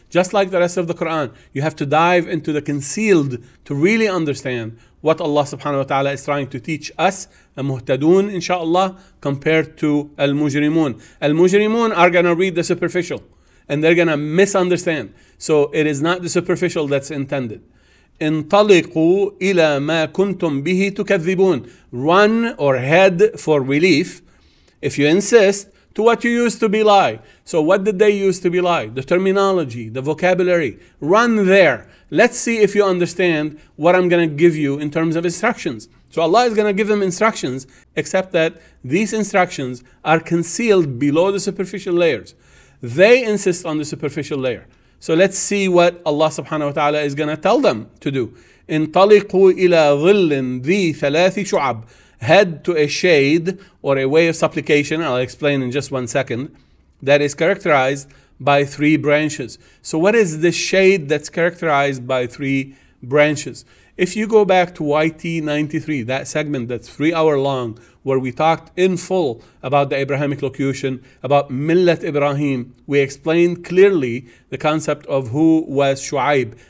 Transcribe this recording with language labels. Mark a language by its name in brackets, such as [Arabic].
[English] Just like the rest of the Quran, you have to dive into the concealed to really understand what Allah subhanahu wa ta'ala is trying to teach us, al-muhtadun insha'Allah, compared to al-mujrimun. Al-mujrimun are going to read the superficial and they're going to misunderstand. So it is not the superficial that's intended. [Arabic] انطلقوا إلى ما كنتم به تكذبون. [English] Run or head for relief, if you insist, to what you used to belie. So what did they use to belie? The terminology, the vocabulary. Run there. Let's see if you understand what I'm going to give you in terms of instructions. So Allah is going to give them instructions, except that these instructions are concealed below the superficial layers. They insist on the superficial layer. So let's see what Allah subhanahu wa ta'ala is going to tell them to do. [Arabic] انطلقوا إلى ظل ذي ثلاث شعب. [English] Head to a shade or a way of supplication. I'll explain in just 1 second. That is characterized by three branches. So what is the shade that's characterized by three branches? If you go back to YT93, that segment that's 3 hour long, where we talked in full about the Abrahamic locution, about Millat Ibrahim, we explained clearly the concept of who was Shu'aib.